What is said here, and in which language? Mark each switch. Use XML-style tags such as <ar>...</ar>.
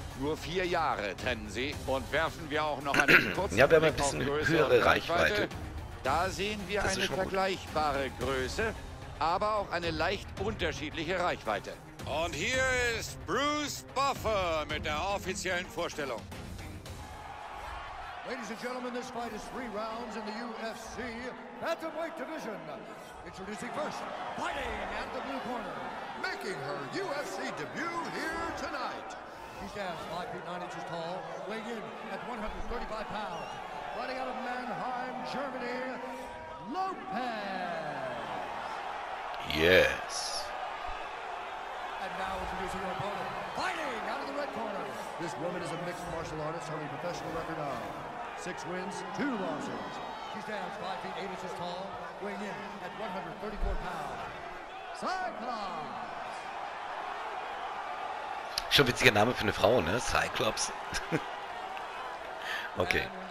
<de>Nur 4 Jahre trennen sie. Und werfen wir auch noch einen kurzen ja, wir haben ein bisschen Blick auf höhere Reichweite. Da sehen wir eine vergleichbare Größe, aber auch eine leicht unterschiedliche Reichweite. Und hier ist Bruce Buffer mit der offiziellen Vorstellung.</de> <en>Ladies and gentlemen, this fight is three rounds in the UFC Bantamweight Division. Introducing first, fighting at the blue corner, making her UFC debut here tonight. She stands 5'9" tall, weighing in at 135 pounds. Fighting out of Mannheim, Germany, Lopez. Yes. And now introducing her opponent, fighting out of the red corner. This woman is a mixed martial artist holding a professional record of 6 wins, 2 losses. She stands 5'8" tall, weighing in at 134 pounds. Cyclops.</en> <de>Schon witziger Name für eine Frau, ne? Cyclops. Okay.</de>